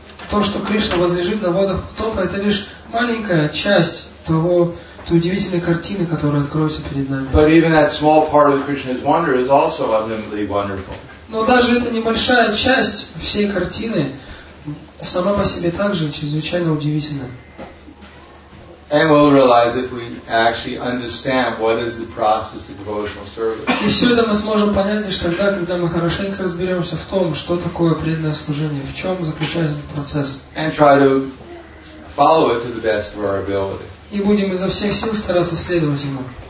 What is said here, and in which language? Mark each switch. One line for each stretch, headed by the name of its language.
Russian: То, что Кришна возлежит на водах потопа, это лишь маленькая часть того, той удивительной картины, которая откроется перед нами. Но даже эта небольшая часть всей картины сама по себе также чрезвычайно удивительна.
English: And we'll realize if we actually understand what is the process of devotional service.
Russian: И все это мы сможем понять лишь тогда, когда мы хорошенько разберемся в том, что такое преданное служение, в чем заключается этот процесс.
English: And try to follow it to the best of our ability.
Russian: И будем изо всех сил стараться следовать ему.